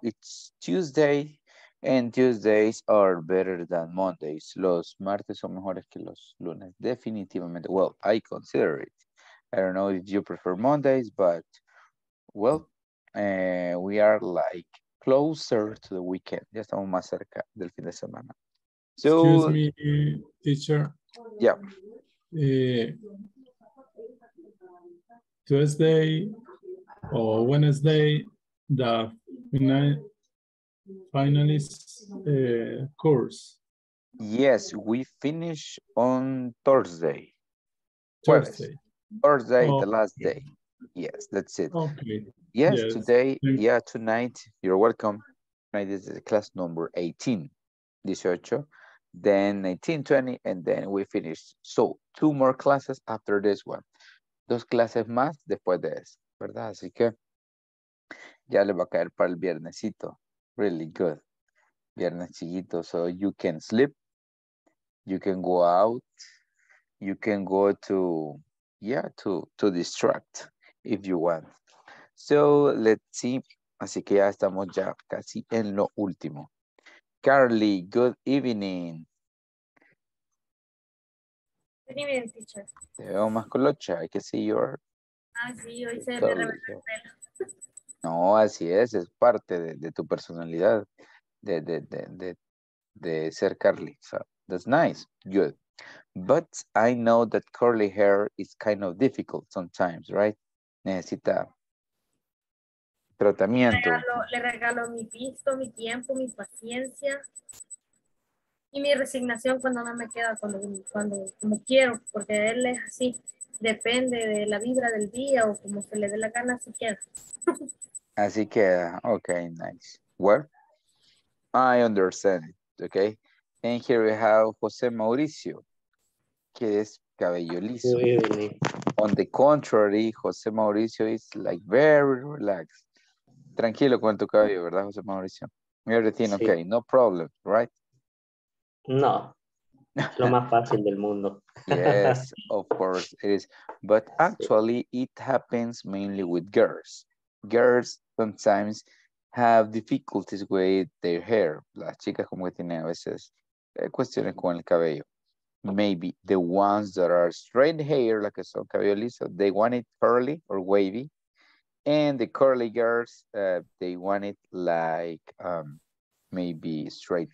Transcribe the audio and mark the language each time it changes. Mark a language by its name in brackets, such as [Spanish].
[English] It's Tuesday, and Tuesdays are better than Mondays. [Spanish] Los martes son mejores que los lunes. Definitivamente. [English] Well, I consider it. I don't know if you prefer Mondays, but, well, we are, like, closer to the weekend. [Spanish] Ya estamos más cerca del fin de semana. [English] So, excuse me, teacher. Yeah. Tuesday... Oh, Wednesday, the finalist course. Yes, we finish on Thursday. Thursday, the last day. Yes, that's it. Okay. Yes, today, yeah, tonight, you're welcome. Tonight is class number 18, 18, then 19, 20, and then we finish. So, two more classes after this one. [Spanish] Dos clases más después de esto. ¿Verdad? Así que ya le va a caer para el viernesito. [English] Really good. [Spanish] Viernes chiquito. [English] So you can sleep. You can go out. You can go to, yeah, to distract if you want. So let's see. [Spanish] Así que ya estamos ya casi en lo último. [English] Carly, good evening. Good evening, teacher. [Spanish] Te veo más colocha. [English] I can see your... [Spanish] Ah, sí, hoy se le reveló el pelo. No, así es parte de tu personalidad, de ser Carly. [English] So, that's nice, good. But I know that curly hair is kind of difficult sometimes, right? [Spanish] Necesita tratamiento. Le regalo mi visto, mi tiempo, mi paciencia y mi resignación cuando no me queda, cuando como quiero, porque él es así. Depende de la vibra del día o como se le dé la gana, si queda. Así queda. [English] Okay, nice. Well, I understand it, okay? And here we have José Mauricio, [Spanish] que es cabello liso. [English] Good evening. On the contrary, José Mauricio is like very relaxed. Tranquilo con tu cabello, ¿verdad, José Mauricio? Everything, sí. Okay, no problem, right? [Spanish] No. Lo más fácil del mundo. [English] Yes, of course it is. But actually, it happens mainly with girls. Girls sometimes have difficulties with their hair. [Spanish] Las chicas como que tienen a veces cuestiones con el cabello. [English] Maybe the ones that are straight hair, like [Spanish] son cabello liso, [English] they want it curly or wavy. And the curly girls, they want it like maybe straight.